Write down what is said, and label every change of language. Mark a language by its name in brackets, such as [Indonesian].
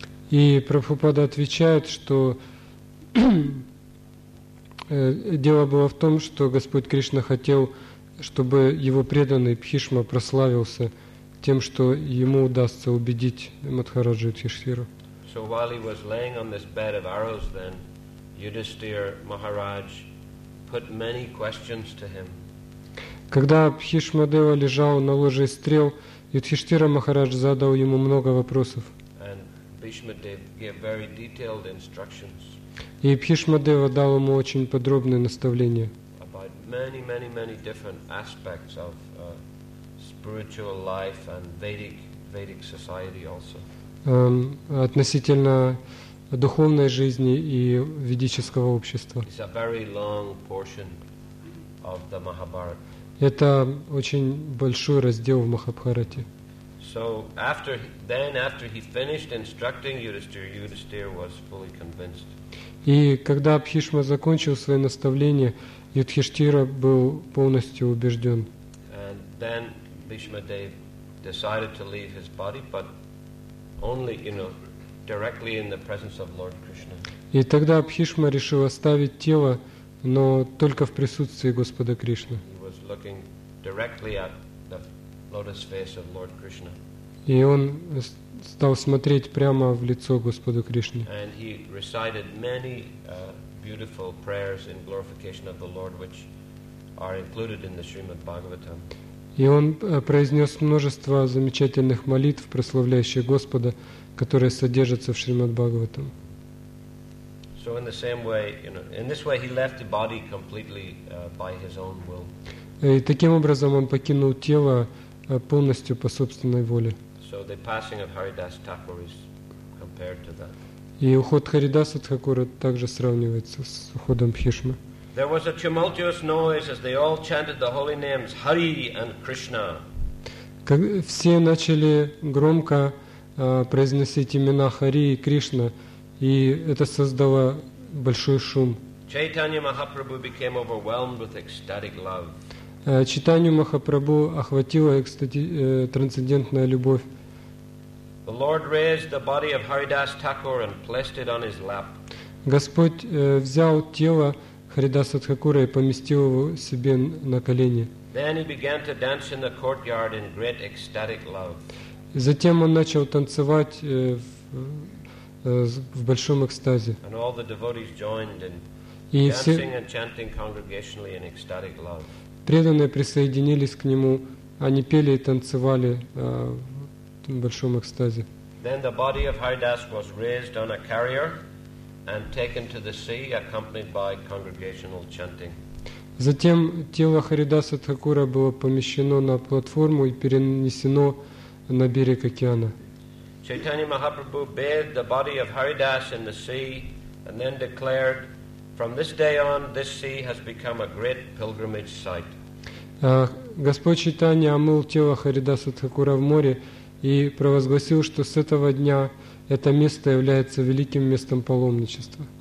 [Russian] И Прабхупада отвечает, что дело было в том, что Господь Кришна хотел, чтобы его преданный Бхишма прославился тем, что ему удастся убедить Мадхараджу Юдхиштхиру. [English] So while he was laying on this bed of arrows then, Yudhisthira Maharaj put many questions to him. [Russian] Когда Бхишма Дева лежал на ложе из стрел, Юдхиштхира Махарадж задал ему много вопросов. [English] And Bhishma Dev gave very detailed instructions. [Russian] И Бхишма Дева дал ему очень подробные наставления. [English] About many, many, many different aspects of spiritual life and Vedic society also. [Russian] Относительно духовной жизни и ведического общества. [English] It's a very long portion of the Mahabharata. [Russian] Это очень большой раздел в Махабхарате. [English] So after then after he finished instructing Yudhisthira, Yudhisthira was fully convinced. [Russian] И когда Бхишма закончил свои наставления, Юдхиштхира был полностью убежден. [English] And then Bhishma Dev decided to leave his body, but only, directly in the presence of Lord Krishna. [Russian] И тогда Бхишма решил оставить тело, но только в присутствии Господа Кришны. [English] He was looking directly at the lotus face of Lord Krishna. [Russian] И он стал смотреть прямо в лицо Господу Кришне. [English] And he recited many beautiful prayers in glorification of the Lord, which are included in the Srimad Bhagavatam. [Russian] И он произнес множество замечательных молитв, прославляющих Господа, которые содержатся в Шримад Бхагаватам. [English] So in the same way, in this way he left the body completely by his own will. [Russian] И таким образом он покинул тело полностью по собственной воле. [English] So the passing of Haridas Thakur is compared to that. [Russian] И уход Харидаса Тхакура также сравнивается с уходом Бхишмы. [English] There was a tumultuous noise as they all chanted the holy names Hari and Krishna. [Russian] Все начали громко произносить имена Хари и Кришна, и это создало большой шум. [English] Chaitanya Mahaprabhu became overwhelmed with ecstatic love. [Russian] Чайтанью Махапрабху охватила трансцендентная любовь. [English] The Lord raised the body of Haridas Thakur and placed it on his lap. [Russian] Господь взял тело Харидаса Тхакура и поместил его себе на колени. [English] Then he began to dance in the courtyard in great ecstatic love. [Russian] Затем он начал танцевать в большом экстазе. [English] And all the devotees joined in dancing and chanting congregationally in ecstatic love. [Russian] Преданные присоединились к нему, они пели и танцевали в большом экстазе. [English] Then the body of Haridas was raised on a carrier and taken to the sea, accompanied by congregational chanting. [Russian] Затем тело Харидаса Тхакура было помещено на платформу и перенесено на берег океана. [English] Chaitanya Mahaprabhu bathed the body of Haridas in the sea and then declared, "From this day on, this sea has become a great pilgrimage site." [Russian] Господь Чайтанья омыл тело Харидаса Тхакура в море и провозгласил, что с этого дня это место является великим местом паломничества.